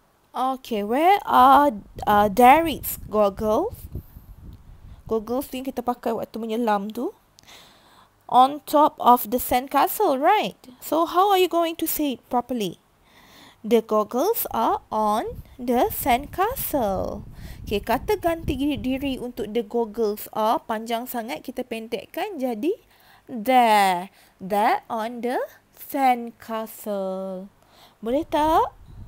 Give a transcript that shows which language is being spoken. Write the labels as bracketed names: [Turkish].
[English] Okay, where are Derek's goggles? [Malay] Goggles tu yang kita pakai waktu menyelam tu. [English] On top of the sandcastle, right? So, how are you going to say it properly? The goggles are on the sandcastle. [Malay] Okay, kata ganti diri untuk [English] the goggles are [Malay] panjang sangat, kita pendekkan jadi [English] there on the sandcastle. [Malay] Boleh tak?